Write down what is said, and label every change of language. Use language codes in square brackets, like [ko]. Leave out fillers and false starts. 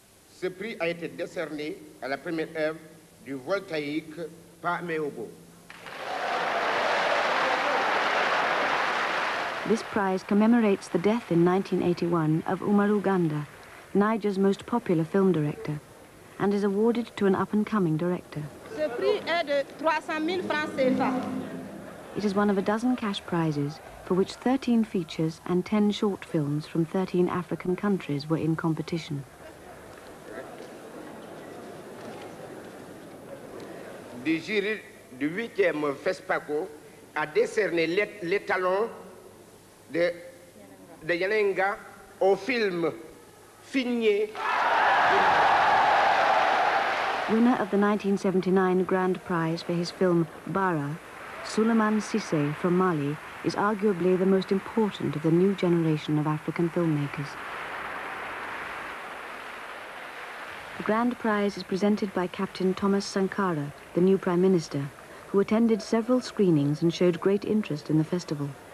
[fr] Ce prix a été décerné à la première œuvre du voltaïque Pawego. [en] This prize commemorates the death in 1981 of Umar Uganda, Niger's most popular film director, and is awarded to an up-and-coming director. [fr] Ce prix est de 300 000 francs CFA. [en] It is one of a dozen cash prizes for which 13 features and 10 short films from 13 African countries were in competition. [fr] Le jury du 8e Fespaco a décerné les talents de Yanenga au film Finye. [en] Winner of the 1979 Grand Prize for his film Bara, Souleymane Cisse from Mali is arguably the most important of the new generation of African filmmakers. The grand prize is presented by Captain Thomas Sankara, the new Prime Minister, who attended several screenings and showed great interest in the festival.